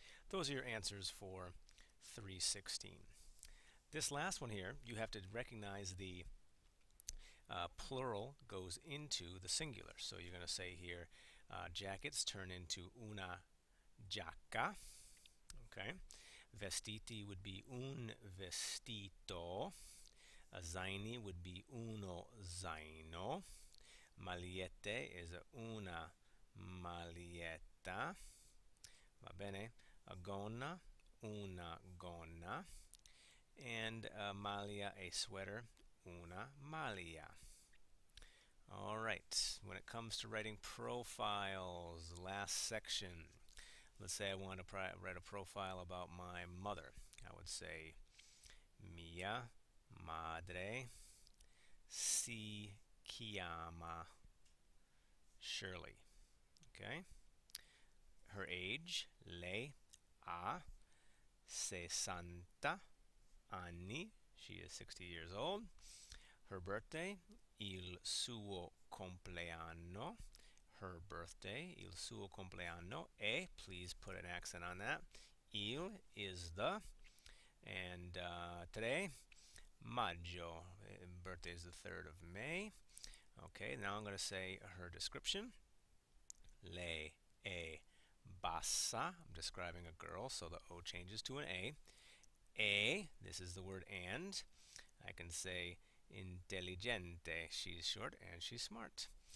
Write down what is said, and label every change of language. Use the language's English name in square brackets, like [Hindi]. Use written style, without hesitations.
[English] Those are your answers for 316. This last one here, you have to recognize the plural goes into the singular. So you're going to say here, jackets turn into [Italian] una giacca. [English] Okay. Vestiti would be [Italian] un vestito. [English] A zaini would be [Italian] uno zaino. [English] Magliette is [Italian] una maglietta. Va bene. A gonna, una gonna. [English] And a maglia, a sweater, [Italian] una maglia. [English] All right. When it comes to writing profiles, last section. Let's say I want to write a profile about my mother. I would say, [Italian] mia madre si chiama Shirley. Okay? [English] Her age, [Italian] lei ha 60 anni. [English] She is 60 years old. Her birthday, [Italian] il suo compleanno. [English] Her birthday, [Italian] il suo compleanno, [English] e, please put an accent on that, il is the, and tre, maggio, birthday is the 3rd of May. Okay, now I'm going to say her description, [Italian] lei è bassa, [English] I'm describing a girl, so the O changes to an A, e, this is the word and, I can say intelligente, she's short and she's smart.